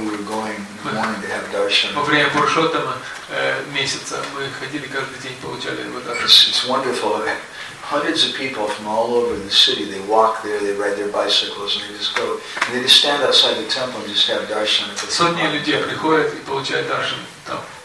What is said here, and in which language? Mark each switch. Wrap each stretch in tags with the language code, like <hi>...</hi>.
<ru>Во время Пуршоттама месяца мы ходили каждый день, получали его даршан.</ru> <en>It's wonderful. Hundreds of people from all over the city, they walk there, they ride their bicycles, and they just go. And they just stand outside the temple and just have darshan.</en> <ru>Сотни людей приходят и получают даршан там.</ru>